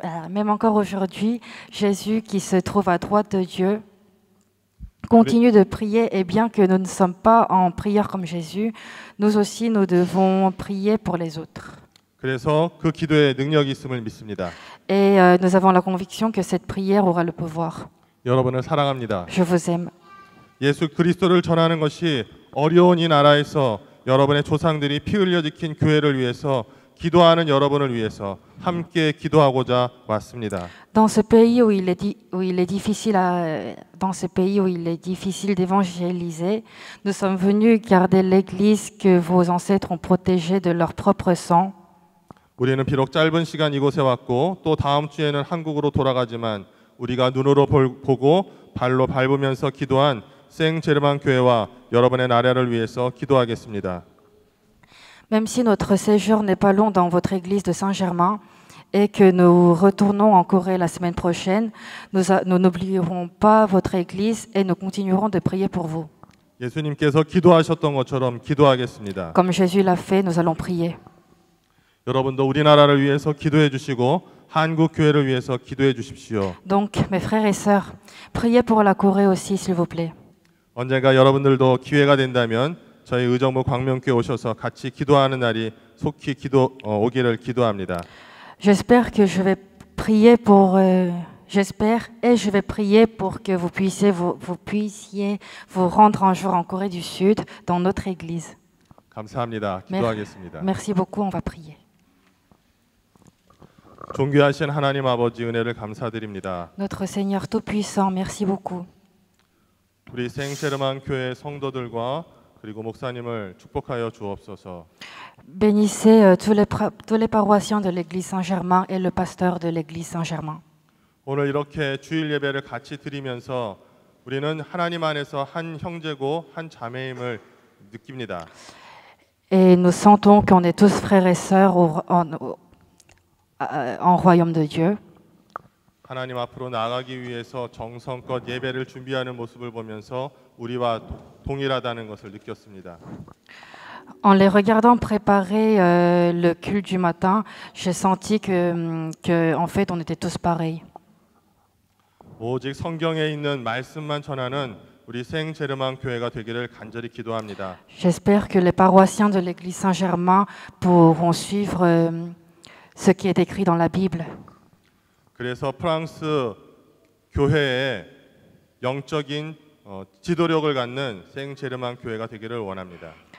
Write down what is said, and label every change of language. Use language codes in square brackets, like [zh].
[fr] Même encore aujourd'hui, Jésus qui se trouve à droite de Dieu continue de prier et bien que nous ne sommes pas en prière comme Jésus, nous aussi nous devons prier pour les autres. [ko] 그래서 그 기도에 능력이 있음을 믿습니다. [fr] Et nous avons la conviction que cette prière aura le pouvoir. [ko] 여러분을 사랑합니다. [fr] Je vous aime. [ko] 예수 그리스도를 전하는 것이 어려운 이 나라에서 여러분의 조상들이 피 흘려 지킨 교회를 위해서 기도하는 여러분을 위해서 함께 기도하고자 왔습니다. [fr] Dans ce pays où il est difficile dans ce pays où il est difficile d'évangéliser, nous sommes venus garder l'église que vos ancêtres ont protégée de leur propre sang. [ko] 우리는 비록 짧은 시간 이곳에 왔고 또 다음 주에는 한국으로 돌아가지만 우리가 눈으로 보고 발로 밟으면서 기도한 생제르만 교회와 여러분의 나라를 위해서 기도하겠습니다. [fr] Même si notre séjour n'est pas long dans votre église de Saint-Germain et que nous retournons en Corée la semaine prochaine, nous n'oublierons pas votre église et nous continuerons de prier pour vous. [ko] 예수님께서 기도하셨던 것처럼 기도하겠습니다. [fr] Comme Jésus l'a fait, nous allons prier. [ko] 여러분도 우리나라를 위해서 기도해 주시고 한국 교회를 위해서 기도해 주십시오. [fr] Donc mes frères et sœurs, priez pour la Corée aussi s'il vous plaît. [ko] 언젠가 여러분들도 기회가 된다면 저희 의정부 광명교회 오셔서 같이 기도하는 날이 속히 오기를 기도합니다. [fr] J'espère que je vais prier pour j'espère et je vais prier pour que vous puissiez vous rendre un jour en Corée du Sud dans notre église. [ko] 감사합니다. 기도하겠습니다. [fr] Merci beaucoup, on va prier. [ko] 존귀하신 하나님 아버지 은혜를 감사드립니다. [fr] Notre Seigneur tout puissant, merci beaucoup. [ko] 우리 생제르만 교회 성도들과 그리고 목사님을 축복하여 주옵소서. [fr] Bénissez tous les paroissiens de l'église Saint-Germain et le pasteur de l'église Saint-Germain. [ko] 오늘 이렇게 주일 예배를 같이 드리면서 우리는 하나님 안에서 한 형제고 한 자매임을 느낍니다. [fr] Et nous sentons qu'on est tous frères et sœurs en royaume de Dieu. [ko] 하나님 앞으로 나아가기 위해서 정성껏 예배를 준비하는 모습을 보면서 우리와 동일하다는 것을 느꼈습니다. [fr] En les regardant préparer le culte du matin, j'ai senti que en fait on était tous pareils. [ko] 오직 성경에 있는 말씀만 전하는 우리 생제르만 교회가 되기를 간절히 기도합니다. [fr] J'espère que les paroissiens de l'église Saint-Germain pourront suivre ce qui est écrit dans la Bible. [ko] 그래서 프랑스 교회의 영적인 지도력을 갖는 생제르만 교회가 되기를 원합니다.